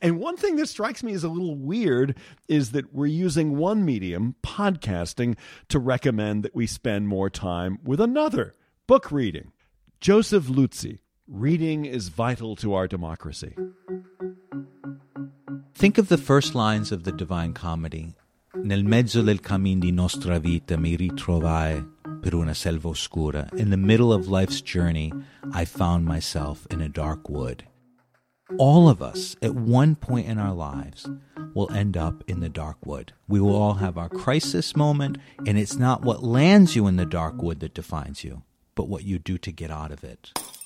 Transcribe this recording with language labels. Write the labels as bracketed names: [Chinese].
[English] And one thing that strikes me as a little weird is that we're using one medium, podcasting, to recommend that we spend more time with another, book reading. Joseph Luzzi, reading is vital to our democracy. Think of the first lines of the Divine Comedy. [Italian] Nel mezzo del cammin di nostra vita mi ritrovai per una selva oscura. [English] In the middle of life's journey, I found myself in a dark wood. All of us, at one point in our lives, will end up in the dark wood. We will all have our crisis moment, and it's not what lands you in the dark wood that defines you, but what you do to get out of it.